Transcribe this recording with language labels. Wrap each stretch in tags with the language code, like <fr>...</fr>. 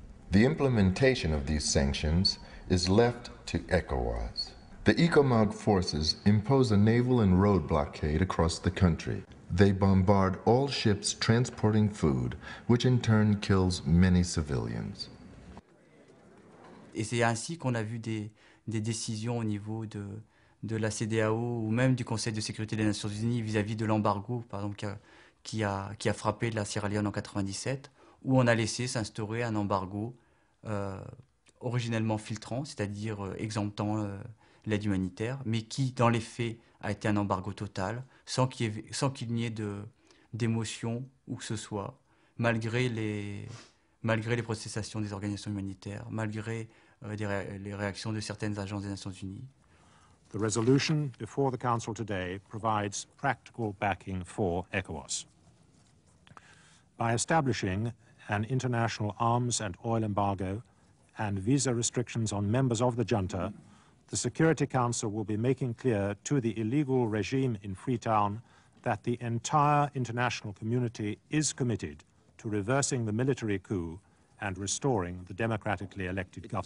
<en>The implementation of these sanctions is left to ECOWAS. The ECOMOG forces impose a naval and road blockade across the country. They bombard all ships transporting food, which in turn kills many civilians.</en> <fr>Et c'est ainsi qu'on a vu des décisions au niveau de la CDAO ou même du Conseil de sécurité des Nations Unies vis-à-vis de l'embargo, par exemple, qui a frappé la Sierra Leone en 97, où on a laissé s'instaurer un embargo originellement filtrant, c'est-à-dire exemptant l'aide humanitaire, mais qui, dans les faits, a été un embargo total, sans qu'il n'y ait d'émotion ou que ce soit, malgré les protestations des organisations humanitaires, malgré les réactions de certaines agences des Nations Unies.</fr> <en>The resolution before the Council today provides practical backing for ECOWAS. By establishing an international arms and oil embargo and visa restrictions on members of the junta, the Security Council will be making clear to the illegal regime in Freetown that the entire international community is committed to reversing the military coup and restoring the democratically elected government.</en>